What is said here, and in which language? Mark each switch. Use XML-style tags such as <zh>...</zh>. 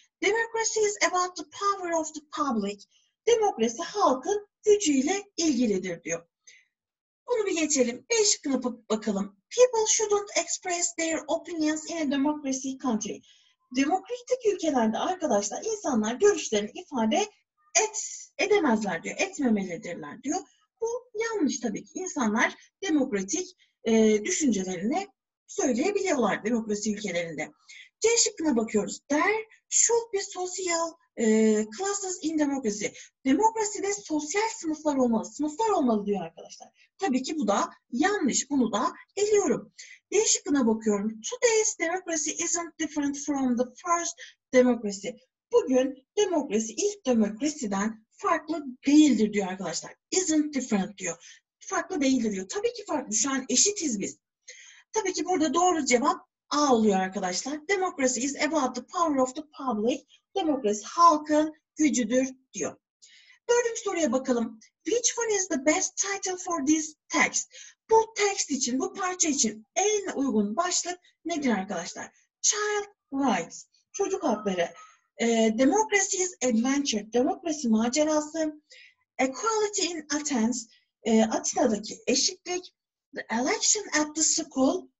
<en>Democracy is about the power of the public.</en> <tr>Demokrasi halkın gücüyle ilgilidir diyor. Bunu bir geçelim. B şıkkına bakalım.</tr> <en>People shouldn't express their opinions in a democracy country.</en> <tr>Demokratik ülkelerde arkadaşlar insanlar görüşlerini ifade edemezler diyor. Etmemelidirler diyor. Bu yanlış tabii ki. İnsanlar demokratik düşüncelerini söyleyebiliyorlar demokrasi ülkelerinde. C şıkkına bakıyoruz.</tr> <en>There should be social classes in democracy.</en> <tr>Demokraside sosyal sınıflar olmalı. Sınıflar olmalı diyor arkadaşlar. Tabii ki bu da yanlış. Bunu da eliyorum. D şıkkına bakıyorum.</tr> <en>Today's democracy isn't different from the first democracy.</en> <tr>Bugün demokrasi ilk demokrasiden farklı değildir diyor arkadaşlar.</tr> <en>Isn't different</en> <tr>diyor. Farklı değildir diyor. Tabii ki farklı. Şu an eşitiz biz. Tabii ki burada doğru cevap A oluyor arkadaşlar.</tr> <en>Democracy is about the power of the public.</en> <tr>Demokrasi halkın gücüdür diyor. Dördüncü soruya bakalım.</tr> <en>Which one is the best title for this text?</en> <tr>Bu text için, bu parça için en uygun başlık nedir arkadaşlar?</tr> <en>Child rights.</en> <tr>Çocuk hakları.</tr> <en>Democracy is adventure.</en> <tr>Demokrasi macerası.</tr> <en>Equality in Athens.</en> <tr>Atina'daki eşitlik.</tr> <en>The election at the school.</en>